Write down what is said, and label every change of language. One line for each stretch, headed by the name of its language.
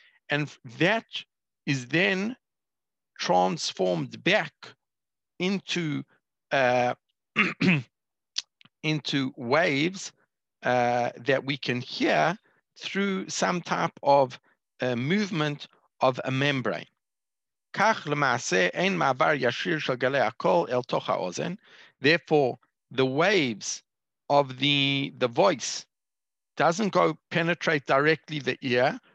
English: And that is then transformed back into waves that we can hear through some type of a movement of a membrane.
Hebrew: כך למעשה אין מעבר ישיר של גלי הקול אל תוך האוזן.
English: Therefore, the waves of the voice doesn't go penetrate directly the ear.